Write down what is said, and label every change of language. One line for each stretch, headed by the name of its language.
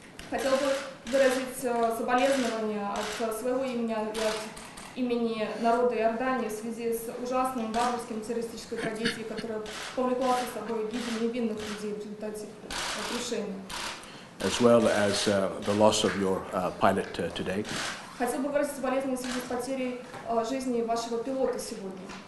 Russian: Хотел бы выразить соболезнования от своего имени и от имени народа Иордании в связи с ужасным варварским террористической трагедией, которая повлекла за собой гибель невинных людей в результате крушения.
English: As well as the loss of your pilot today.
Russian: Хотел бы выразить соболезнования в связи с потерей жизни вашего пилота сегодня.